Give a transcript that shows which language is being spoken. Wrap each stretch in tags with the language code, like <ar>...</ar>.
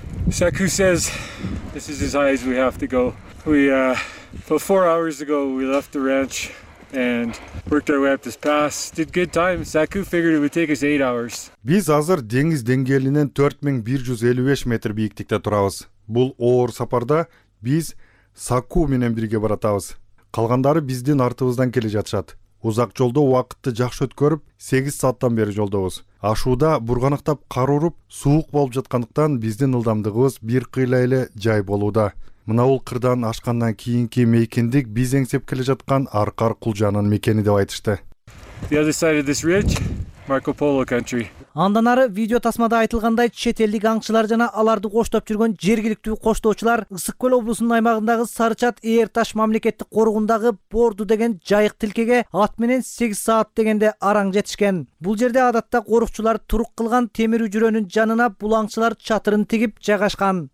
<en>Seku says this is as high as we have to go. About 4 hours ago, we left the ranch and worked our way up this pass. Did good time. Seku figured it would take us 8 hours.</en> <ky>Биз азыр деңиз деңгээлинен 4155 метр бийиктикте турабыз. Бул оор сапарда биз Саку менен бирге баратабыз. Калгандары биздин артыбыздан келе жатышат. Узак жолдо убакытты жакшы өткөрүп, 8 сааттан бери жолдобуз. Ашууда бурганыктап кар уруп, суук болуп жаткандыктан биздин ылдамдыгыбыз бир кыйла эле жай болууда. Мына бул кырдан ашкандан кийинки мекендик биз эңсеп келе жаткан Аркар Кулжанын мекени деп айтышты.</ky> <en>The other side of this ridge, Marco Polo country.</en> <ky>Андан ары видео тасмада айтылгандай чет элдик аңчылар жана аларды коштоп жүргөн жергиликтүү коштоочулар Ысык Көл облусунун аймагындагы Сарычат Эйр Таш мамлекеттик коругундагы Борду деген жайык тилкеге ат менен 8 саат дегенде араң жетишкен. Бул жерде адатта корукчулар турук кылган темир үжүрөнүн жанына бул аңчылар чатырын тигип жайгашкан.</ky>